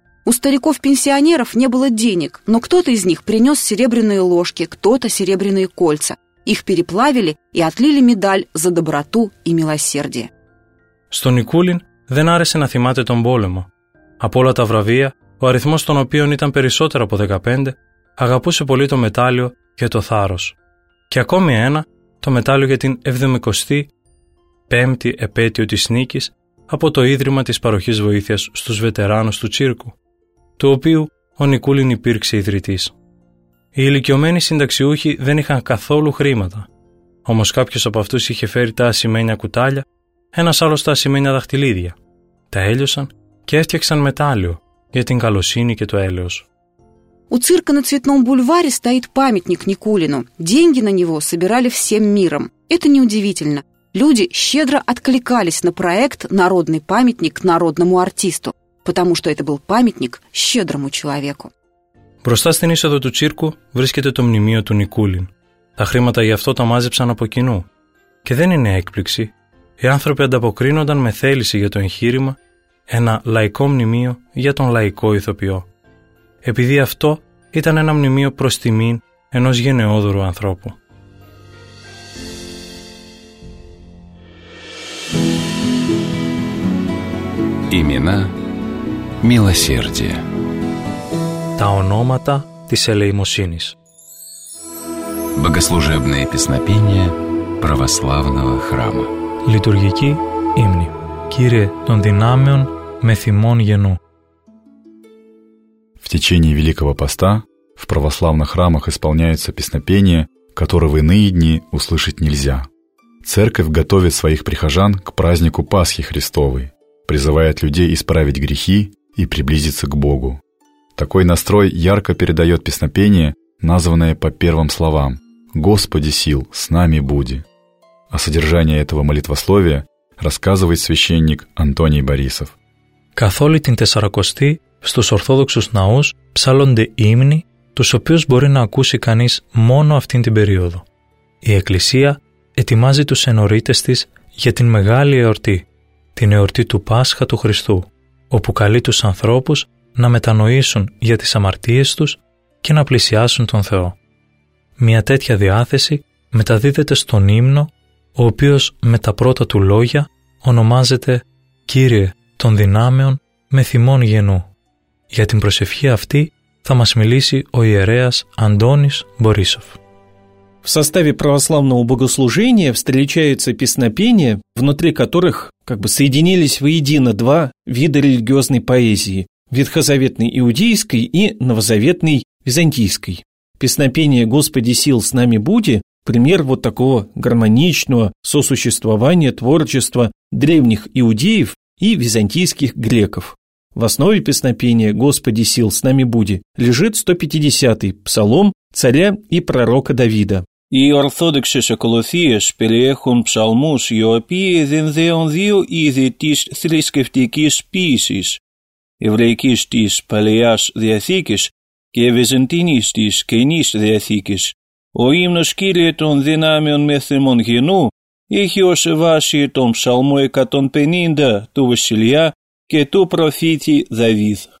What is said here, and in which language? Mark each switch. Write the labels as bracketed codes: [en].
[ru] У стариков-пенсионеров не было денег, но кто-то из них принес серебряные ложки, кто-то серебряные кольца. Их переплавили и отлили медаль «За доброту и милосердие». [el] Στο Никулин δεν άρεσε να θυμάται τον πόλεμο. Από όλα τα βραβεία, ο αριθμός των οποίων ήταν περισσότερο από 15, αγαπούσε πολύ το μετάλλιο για το θάρρος. Και ακόμη ένα, το μετάλλιο για την 75η επέτειο της νίκης από το Ίδρυμα της Παροχής Βοήθειας στους Βετεράνους του Τσίρκου, του οποίου ο Νικούλιν υπήρξε ιδρυτής. Οι ηλικιωμένοι συνταξιούχοι δεν είχαν καθόλου χρήματα, όμως κάποιος από αυτούς είχε φέρει τα ασημένια κουτάλια, ένας άλλος τα ασημένια δαχτυλίδια. Τα έλειωσαν και έφτιαξαν μετάλλιο για την καλοσύνη και το έλεος. [ru] У цирка на Цветном бульваре стоит памятник Никулину. Деньги на него собирали всем миром. Это неудивительно. Люди щедро откликались на проект «Народный памятник народному артисту», потому что это был памятник щедрому человеку. [el] Мπροστά στην είσοδο του цирку βρίσκεται το μνημείο του Νικούλιν. Τα χρήματα γι' αυτό τα μάζεψαν από κοινού. Και δεν είναι έκπληξη. Οι άνθρωποι ανταποκρίνονταν με θέληση για το εγχείρημα ένα λαϊκό μνημείο για τον λαϊκό ηθοποιό. Επειδή αυτό ήταν ένα μνημείο προς τιμήν ενός γενναιόδωρου ανθρώπου. [ru] Имена, милосердие. [el] Τα ονόματα της ελεημοσύνης. [ru] Богослужебное песнопение православного храма. [el] Λειτουργική ύμνη. Κύριε των δυνάμεων με θυμών γενού. [ru] В течение Великого Поста в православных храмах исполняются песнопения, которые в иные дни услышать нельзя. Церковь готовит своих прихожан к празднику Пасхи Христовой, призывает людей исправить грехи и приблизиться к Богу. Такой настрой ярко передает песнопение, названное по первым словам «Господи сил, с нами буди». О содержании этого молитвословия рассказывает священник Антоний Борисов. [el] Καθόλη την Τεσσαρακοστή στους Ορθόδοξους ναούς ψάλλονται ύμνοι, τους οποίους μπορεί να ακούσει κανείς μόνο αυτήν την περίοδο. Η Εκκλησία ετοιμάζει τους ενορίτες της για την μεγάλη εορτή, την εορτή του Πάσχα του Χριστού, όπου καλεί τους ανθρώπους να μετανοήσουν για τις αμαρτίες τους και να πλησιάσουν τον Θεό. Μια τέτοια διάθεση μεταδίδεται στον ύμνο, ο οποίος με τα πρώτα του λόγια ονομάζεται «Κύριε των δυνάμεων με θυμών γενού». Για την προσευχή αυτή θα μας μιλήσει ο ιερέας Αντώνης Μπορίσοφ. [ru] В составе православного богослужения встречаются песнопения, внутри которых как бы соединились воедино два вида религиозной поэзии – ветхозаветной иудейской и новозаветной византийской. Песнопение «Господи сил с нами буди» – пример вот такого гармоничного сосуществования творчества древних иудеев и византийских греков. В основе песнопения «Господи сил с нами буди» лежит 150-й псалом царя и пророка Давида. [el] Οι ορθόδοξες ακολουθίες περιέχουν ψαλμούς οι οποίοι δενδέουν δύο είδη της θρησκευτικής ποίησης, εβραϊκής της Παλαιάς Διαθήκης και βυζαντινής της Καινής Διαθήκης. Ο ύμνος «Κύριε των δυνάμεων με θυμών γενού» έχει ως βάση τον ψαλμό 150 του βασιλιά και του προφήτη Δαβίδ.